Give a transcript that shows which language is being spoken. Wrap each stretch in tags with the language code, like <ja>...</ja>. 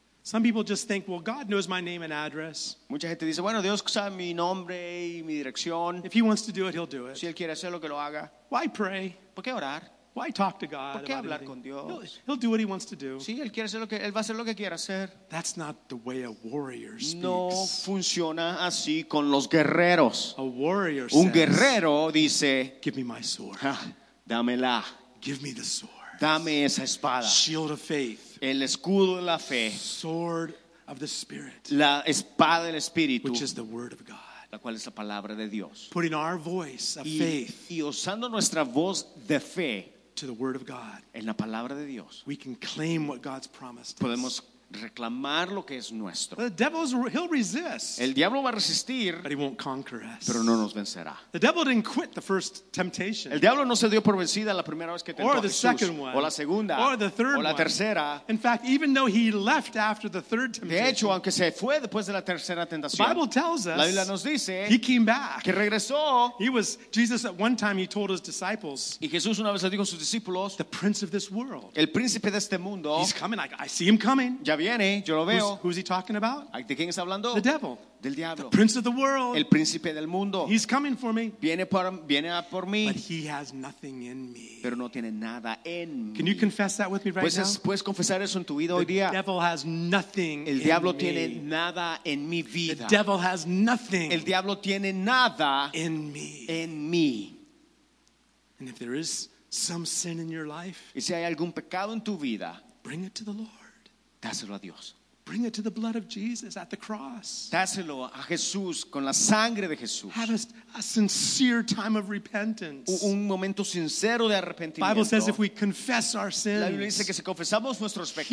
<en>Some people just think, well, God knows my name and address.</en> <es>Mucha gente dice, bueno, Dios sabe mi nombre y mi dirección.</es> <en>If he wants to do it, he'll do it.</en> <es>Si él quiere hacerlo, que lo haga.</es> <en>Why pray?</en> <es>¿Por qué orar?</es> <en>Why talk to God?</en> <es>¿Por qué hablar con Dios?</es> <en>No, he'll do what he wants to do.</en> <es>Sí, él quiere hacer lo que él va a hacer lo que quiera hacer.</es> <en>That's not the way a warrior speaks.</en> <es>No funciona así con los guerreros.</es> <en>A warrior</en> <es>un guerrero dice,</es> <en>give me my sword.</en> <es>Dámela.</es> <en>Give me the sword.</en> <es>Dame esa espada.</es> <en>Shield of faith.</en> <es>El escudo de la fe.</es> <en>Sword of the spirit.</en> <es>La espada del espíritu.</es> <en>Which is the word of God.</en> <es>La cual es la palabra de Dios.</es> <en>Putting our voice of faith.</en> <es>Y usando nuestra voz de fe.</es> <en>To the word of God.</en> <es>En la palabra de Dios.</es> <en>We can claim what God's promised.</en> <es>Podemos reclamar lo que es nuestro.</es> <en>The devil's he'll resist.</en> <es>El diablo va a resistir.</es> <en>But he won't conquer us.</en> <es>Pero no nos vencerá.</es> <en>The devil didn't quit the first temptation.</en> <es>El diablo no se dio por vencida la primera vez que tentó a Jesús.</es> <en>Or the second one.</en> <es>O la segunda.</es> <en>Or the third one.</en> <es>O la tercera.</es> <en>In fact, even though he left after the third temptation.</en> <es>De hecho, aunque se fue después de la tercera tentación.</es> <en>The Bible tells us.</en> <es>La Biblia nos dice.</es> <en>He came back.</en> <es>Que regresó.</es> <en>He was Jesus at one time he told his disciples.</en> <es>Y Jesús una vez le dijo a sus discípulos.</es> <en>The prince of this world.</en> <es>El príncipe de este mundo.</es> <en>He's coming. I see him coming.</en> <es>Ya viene, yo lo veo.</es> <en>Who's he talking about?</en> <es>¿De quién está hablando?</es> <en>The devil.</en> <es>Del diablo.</es> <en>The prince of the world.</en> <es>El príncipe del mundo.</es> <en>He's coming for me.</en> <es>Viene por mí.</es> <en>But he has nothing in me.</en> <es>Pero no tiene nada en</es> <en>mí. Can you confess that with me right now?</en> <es>¿Puedes confesar eso en tu vida hoy día?</es> <en>The devil has nothing in me.</en> <es>El diablo tiene nada en mi vida.</es> <en>The devil has nothing.</en> <es>El diablo tiene nada</es> <en>in me.</en> <es>En mí.</es> <en>And if there is some sin in your life,</en> <es>y si hay algún pecado en tu vida,</es> <en>bring it to the Lord.</en> <es>Dáselo a Dios.</es> <en>Bring it to the blood of Jesus at the cross.</en> <es>Dáselo a Jesús con la sangre de Jesús.</es> <en>Have a sincere time of repentance.</en> <es>Un momento sincero de arrepentimiento.</es> <en>Bible says if we confess our sins.</en> <es>La Biblia dice que si confesamos nuestros pecados.</es>